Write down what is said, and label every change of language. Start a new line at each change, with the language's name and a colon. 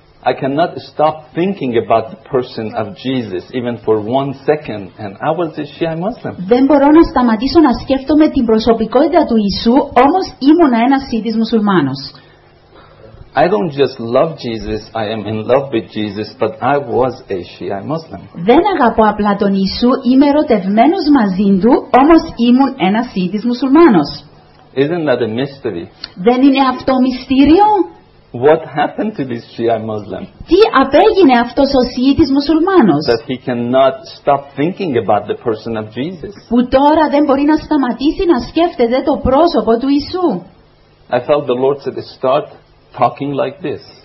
English: I cannot stop thinking about the person of Jesus even for one second, and I was a Shia Muslim.
Greek: Δεν μπορώ να σταματήσω να σκέφτομαι την προσωπικότητα του Ιησού, όμως ήμουν ένας Σιίτης μουσουλμάνος.
English: I don't just love Jesus, I am in love with Jesus, but I was a Shia Muslim.
Greek: Δεν αγαπώ απλά τον Ιησού, είμαι ερωτευμένος μαζί του, όμως ήμουν ένας Σιίτης μουσουλμάνος.
English: Isn't that a mystery?
Greek: Δεν είναι αυτό μυστήριο?
English: What happened to this Shia Muslim?
Greek: Τι απέγινε αυτός ο Σιίτης μουσουλμάνος?
English: That he cannot stop thinking about the person of Jesus.
Greek: Που τώρα δεν μπορεί να σταματήσει να σκέφτεται το πρόσωπο του Ιησού.
English: I felt the Lord said, start talking like this.